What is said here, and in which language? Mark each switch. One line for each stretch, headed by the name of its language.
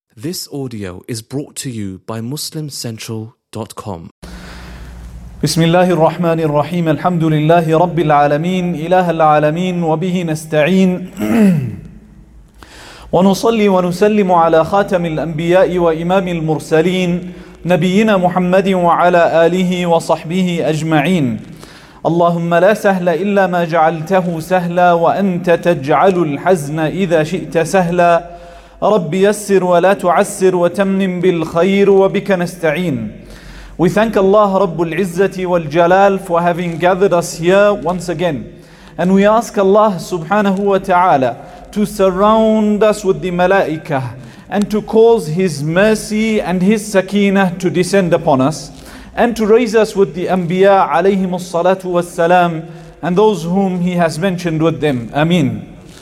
English: This audio is brought to you by MuslimCentral.com.
Arabic: بسم الله الرحمن الرحيم الحمد لله رب العالمين إله العالمين وبه نستعين ونصلي ونسلم على خاتم الأنبياء وإمام المرسلين نبينا محمد وعلى آله وصحبه أجمعين. اللهم لا سهل إلا ما جعلته سهلا وأنت تجعل الحزن إذا شئت سهلا. رَبِّ يَسِّرْ وَلَا تُعَسِّرْ وَتَمْنِمْ بِالْخَيْرُ وَبِكَ نَسْتَعِينَ.
English: We thank Allah Rabbul Izzati wal Jalal for having gathered us here once again. And we ask Allah subhanahu wa ta'ala to surround us with the malaika and to cause His mercy and His sakinah to descend upon us and to raise us with the anbiya alayhimu salatu wa salam and those whom He has mentioned with them. Ameen.